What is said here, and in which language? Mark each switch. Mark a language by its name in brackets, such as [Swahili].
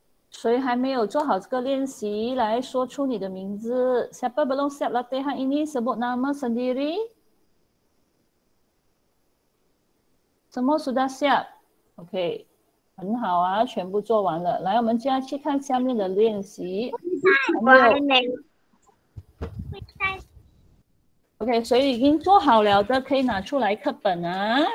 [Chinese] 谁还没有做好这个练习？来说出你的名字。 [Malay] Siapa belum siap latihan ini sebut nama sendiri? Semua sudah siap? [Chinese] OK， 很好啊，全部做完了。来，我们接下去看下面的练习。我还没。 OK， 谁已经做好了的可以拿出来课本啊。